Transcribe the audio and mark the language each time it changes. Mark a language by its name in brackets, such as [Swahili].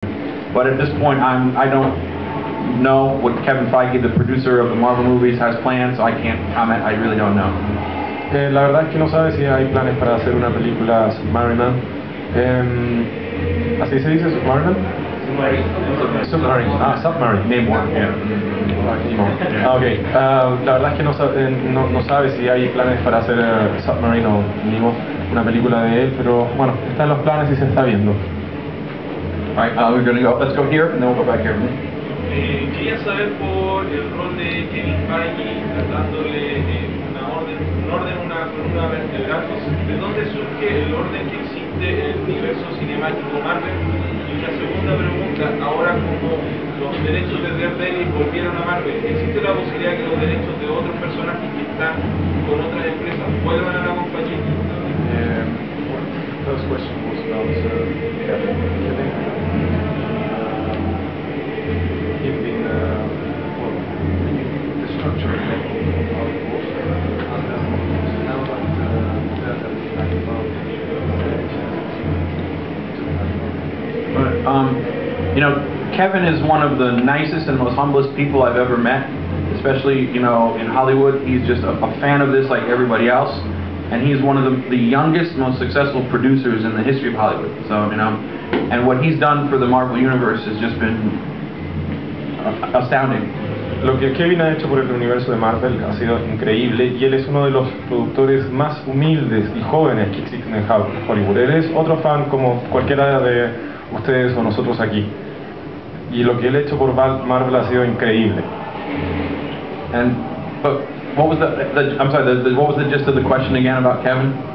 [English] But at this point, I don't know what Kevin Feige, the producer of the Marvel movies, has planned, so I can't comment. I really don't know. [Spanish] La verdad es que no sabe si hay planes para hacer una película Submariner. ¿Así se dice Submariner? [English] Submarine. Submarine. Name one. Yeah. Okay. [Spanish] La verdad es que no sabe si hay planes para hacer Submarine o Nemo, una película de él, pero bueno, están los planes y se está viendo. [English] All right, we're gonna go. Let's go here and then we'll go back here. [Spanish] Quería saber por el rol de Kevin Feige dándole una columna vertebral. ¿De dónde surge el orden que existe en el universo cinemático Marvel? Y la segunda pregunta, ahora como los derechos de Daredevil volvieron a Marvel, ¿existe la posibilidad que los derechos de otros personajes que están con otras empresas vuelvan a la compañía? [English] First question was about the structure of Marvel. You know, Kevin is one of the nicest and most humblest people I've ever met, especially, you know, in Hollywood. He's just a fan of this like everybody else, and he's one of the youngest, most successful producers in the history of Hollywood. So, you know, and what he's done for the Marvel Universe has just been astounding. [Spanish] Lo que Kevin ha hecho por el universo de Marvel ha sido increíble, y él es uno de los productores más humildes y jóvenes que existen en Hollywood. Él es otro fan como cualquiera de ustedes o nosotros aquí. Y lo que él ha hecho por Marvel ha sido increíble. [English] And but what was the what was the gist of the question again about Kevin?